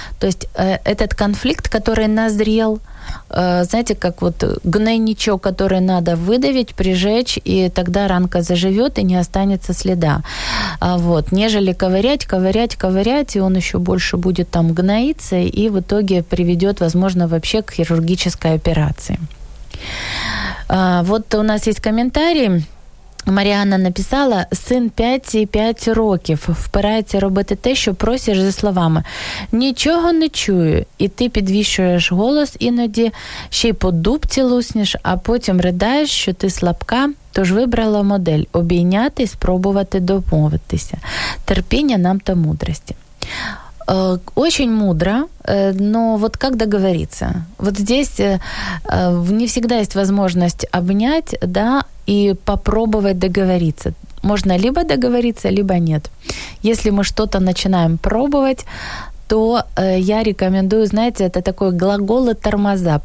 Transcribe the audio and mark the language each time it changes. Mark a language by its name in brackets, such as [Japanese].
[Russian] То есть этот конфликт, который назрел, знаете, как вот гнойничок, который надо выдавить, прижечь, и тогда ранка заживет и не останется следа. Вот. Нежели ковырять, ковырять, ковырять, и он еще больше будет там гноиться, и в итоге приведет, возможно, вообще к хирургической операции. Вот у нас есть комментарий. [Ukrainian] Маріанна написала: «Син 5,5 років. Впирається робити те, що просиш, за словами. Нічого не чую. І ти підвищуєш голос іноді, ще й по дубці лусніш, а потім ридаєш, що ти слабка. Тож вибрала модель – обійняти і спробувати домовитися. Терпіння нам та мудрості». [Russian] Очень мудро, но вот как договориться? Вот здесь не всегда есть возможность обнять, да, и попробовать договориться. Можно либо договориться, либо нет. Если мы что-то начинаем пробовать, то я рекомендую, знаете, это такой глагол и тормоза.